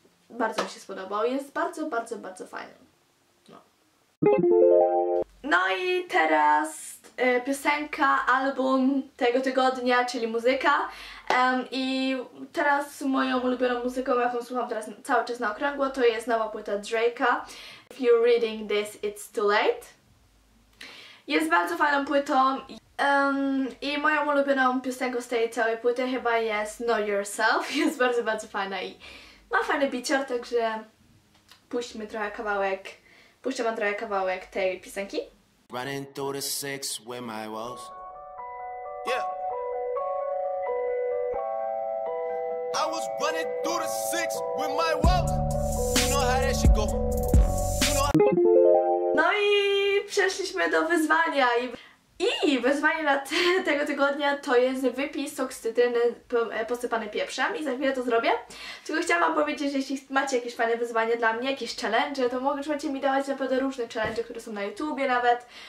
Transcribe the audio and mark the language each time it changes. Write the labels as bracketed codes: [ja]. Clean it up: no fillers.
[pl] Bardzo mi się spodobał, jest bardzo, bardzo, bardzo fajny. No. No i teraz piosenka, album tego tygodnia, czyli muzyka. I teraz moją ulubioną muzyką, jaką słucham teraz cały czas na okrągło, to jest nowa płyta Drake'a. [en] If you're reading this, it's too late. [pl] Jest bardzo fajną płytą. I moją ulubioną piosenką z tej całej płyty chyba jest Know Yourself. Jest bardzo, bardzo fajna i ma fajny bicior, także puśćmy trochę kawałek. Puśćmy wam trochę kawałek tej piosenki. [en] Running through the six with my walls. Yeah. I was running through the six with my walls. You know how that should go. You know how... [pl] No i przeszliśmy do wyzwania i wyzwanie na tego tygodnia to jest wypij sok z cytryny posypany pieprzem i za chwilę to zrobię. Tylko chciałam wam powiedzieć, że jeśli macie jakieś fajne wyzwanie dla mnie, jakieś challenge, to możecie mi dawać naprawdę różne challenge, które są na YouTubie nawet.